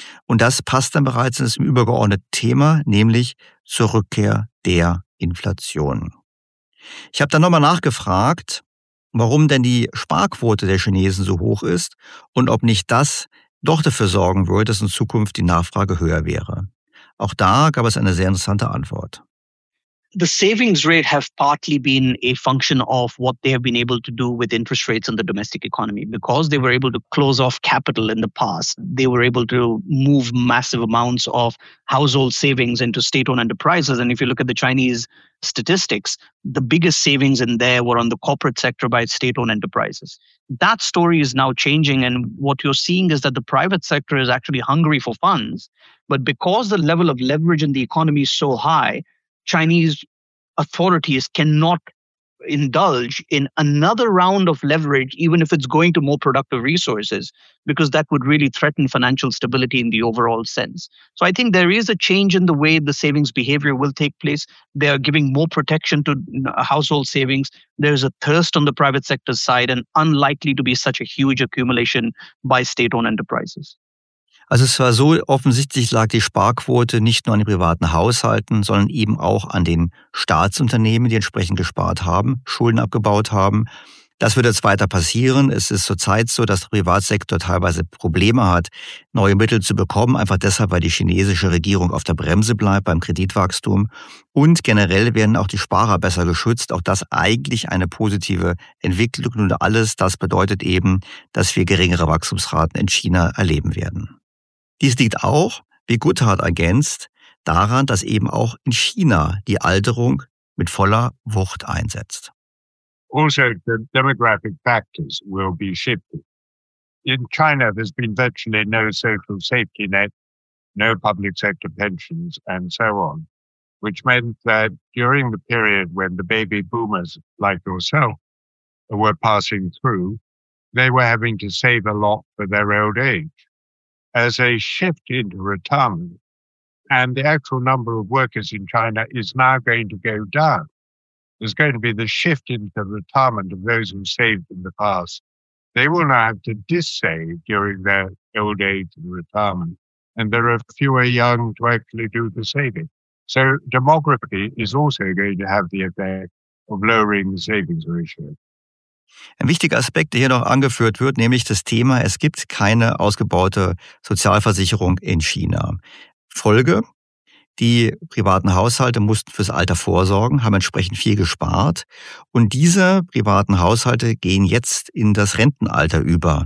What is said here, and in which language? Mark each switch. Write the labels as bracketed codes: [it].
[de] Und das passt dann bereits in das übergeordnete Thema, nämlich zur Rückkehr der Inflation. Ich habe dann nochmal nachgefragt, warum denn die Sparquote der Chinesen so hoch ist und ob nicht das doch dafür sorgen würde, dass in Zukunft die Nachfrage höher wäre. Auch da gab es eine sehr interessante Antwort. [en] The savings rate have partly been a function of what they have been able to do with interest rates in the domestic economy. Because they were able to close off capital in the past, they were able to move massive amounts of household savings into state-owned enterprises. And if you look at the Chinese statistics, the biggest savings in there were on the corporate sector by state-owned enterprises. That story is now changing. And what you're seeing is that the private sector is actually hungry for funds. But because the level of leverage in the economy is so high, Chinese authorities cannot indulge in another round of leverage, even if it's going to more productive resources, because that would really threaten financial stability in the overall sense. So I think there is a change in the way the savings behavior will take place. They are giving more protection to household savings. There's a thirst on the private sector side and unlikely to be such a huge accumulation by state-owned enterprises. [de] Also es war so, offensichtlich lag die Sparquote nicht nur an den privaten Haushalten, sondern eben auch an den Staatsunternehmen, die entsprechend gespart haben, Schulden abgebaut haben. Das wird jetzt weiter passieren. Es ist zurzeit so, dass der Privatsektor teilweise Probleme hat, neue Mittel zu bekommen, einfach deshalb, weil die chinesische Regierung auf der Bremse bleibt beim Kreditwachstum. Und generell werden auch die Sparer besser geschützt. Auch das eigentlich eine positive Entwicklung. Und alles das bedeutet eben, dass wir geringere Wachstumsraten in China erleben werden. Dies liegt auch, wie Guthardt ergänzt, daran, dass eben auch in China die Alterung mit voller Wucht einsetzt. [en] Also the demographic factors will be shifting. In China, there's been virtually no social safety net, no public sector pensions and so on, which meant that during the period when the baby boomers like yourself were passing through, they were having to save a lot for their old age. As a shift into retirement, and the actual number of workers in China is now going to go down. There's going to be the shift into retirement of those who saved in the past. They will now have to dissave during their old age and retirement, and there are fewer young to actually do the saving. So demography is also going to have the effect of lowering the savings ratio. [de] Ein wichtiger Aspekt, der hier noch angeführt wird, nämlich das Thema, es gibt keine ausgebaute Sozialversicherung in China. Folge, die privaten Haushalte mussten fürs Alter vorsorgen, haben entsprechend viel gespart und diese privaten Haushalte gehen jetzt in das Rentenalter über.